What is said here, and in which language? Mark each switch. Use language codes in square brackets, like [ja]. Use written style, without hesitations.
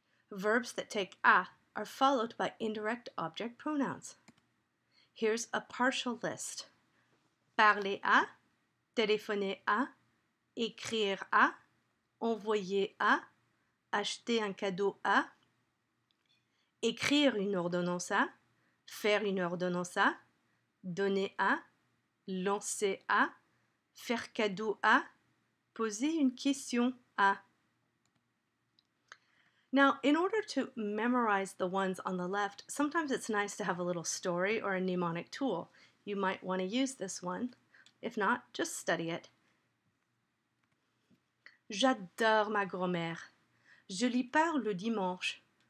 [en] Verbs that take à are followed by indirect object pronouns. Here's a partial list. [fr] Parler à, téléphoner à, écrire à, envoyer à, acheter un cadeau à, écrire une ordonnance à, faire une ordonnance à, donner à, lancer à, faire cadeau à, poser une question à. [en] Now, in order to memorize the ones on the left, sometimes it's nice to have a little story or a mnemonic tool. You might want to use this one. If not, just study it. [fr] J'adore ma grand-mère. Je lui parle le dimanche.